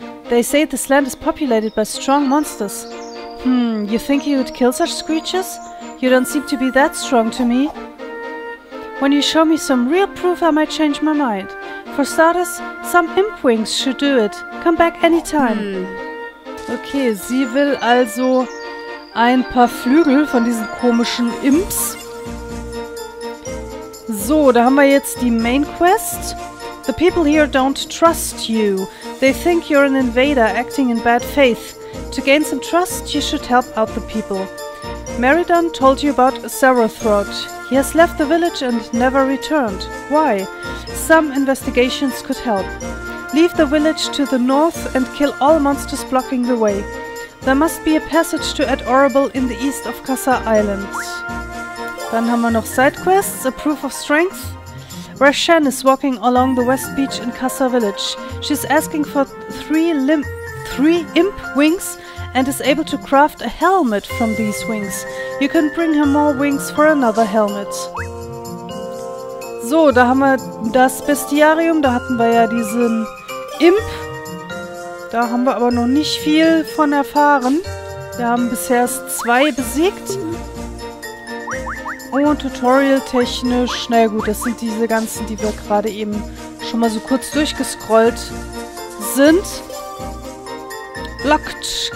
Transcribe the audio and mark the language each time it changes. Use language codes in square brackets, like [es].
[en] They say this land is populated by strong monsters. You think you would kill such creatures? You don't seem to be that strong to me. When you show me some real proof, I might change my mind. For starters, some imp wings should do it. Come back anytime. [de] Okay, sie will also ein paar Flügel von diesen komischen Imps. So, da haben wir jetzt die Main Quest. [en] The people here don't trust you. They think you're an invader acting in bad faith. To gain some trust, you should help out the people. Meridon told you about Sarathrod. He has left the village and never returned. Why? Some investigations could help. Leave the village to the north and kill all monsters blocking the way. There must be a passage to Ed Orrible in the east of Kasa Island. Dann haben wir noch Sidequests, a proof of strength. Raishan is walking along the west beach in Kasa village. She's asking for three imp wings and is able to craft a helmet from these wings. You can bring her more wings for another helmet. [de] So, da haben wir das Bestiarium, da hatten wir ja diesen Imp. Da haben wir aber noch nicht viel von erfahren. Wir haben bisher zwei besiegt. Und tutorial-technisch, naja gut, das sind diese ganzen, die wir gerade eben schon mal so kurz durchgescrollt sind. Locked.